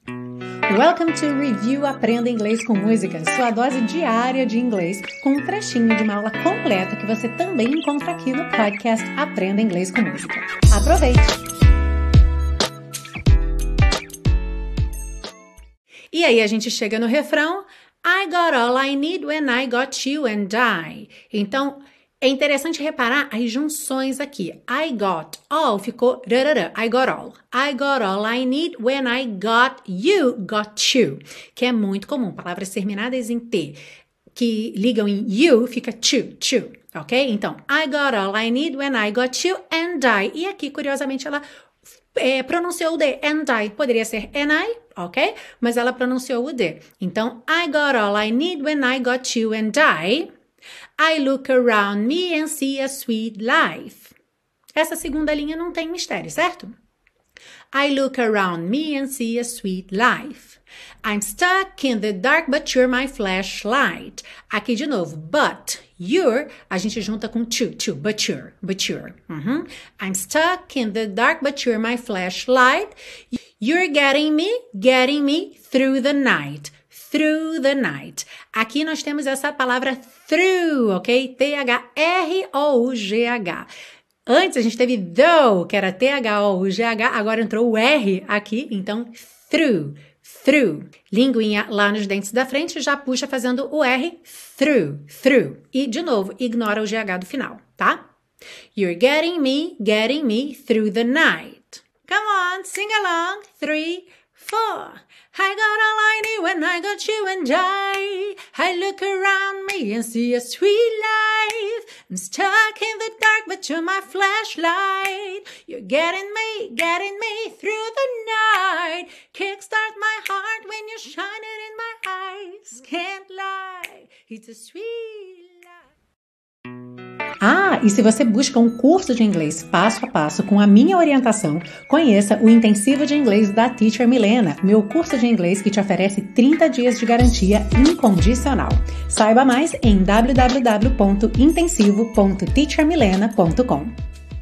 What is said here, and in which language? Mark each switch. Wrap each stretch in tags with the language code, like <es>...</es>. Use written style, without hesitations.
<pt>Welcome to Review Aprenda Inglês com Música, sua dose diária de inglês, com um trechinho de uma aula completa que você também encontra aqui no podcast Aprenda Inglês com Música. Aproveite! E aí a gente chega no refrão,</pt> <en>I got all I need when I got you and I.</en> <pt>Então, é interessante reparar as junções aqui.</pt> <en>I got all ficou rarara, I got all. I got all I need when I got you,</en> <pt>que é muito comum, palavras terminadas em T, que ligam em you, fica to, to, ok? Então,</pt> <en>I got all I need when I got you and I.</en> <pt>E aqui, curiosamente, ela pronunciou o D,</pt> <en>and I,</en> <pt>poderia ser and I, ok? Mas ela pronunciou o D.</pt> <en>Então, I got all I need when I got you and I. I look around me and see a sweet life.</en> <pt>Essa segunda linha não tem mistério, certo?</pt> <en>I look around me and see a sweet life. I'm stuck in the dark, but you're my flashlight.</en> <pt>Aqui de novo, but, you're, a gente junta com to, to,</pt> <en>but you're.</en> <pt>Uh-huh.</pt> <en>I'm stuck in the dark, but you're my flashlight. You're getting me through the night. Through the night.</en> <pt>Aqui nós temos essa palavra through, ok? T-H-R-O-U-G-H. Antes a gente teve though, que era T-H-O-U-G-H, agora entrou o R aqui, então through, through. Linguinha lá nos dentes da frente já puxa fazendo o R, through, through. E de novo, ignora o G-H do final, tá?</pt> <en>You're getting me through the night. Come on, sing along, three, four. I got all I need when I got you and I. I look around me and see a sweet life. I'm stuck in the dark, but you're my flashlight. You're getting me through the night. Kickstart my heart when you're shining in my eyes. Can't lie, it's a sweet life.</en> <pt>Ah, e se você busca um curso de inglês passo a passo com a minha orientação, conheça o Intensivo de Inglês da Teacher Milena, meu curso de inglês que te oferece 30 dias de garantia incondicional. Saiba mais em www.intensivo.teachermilena.com.</pt>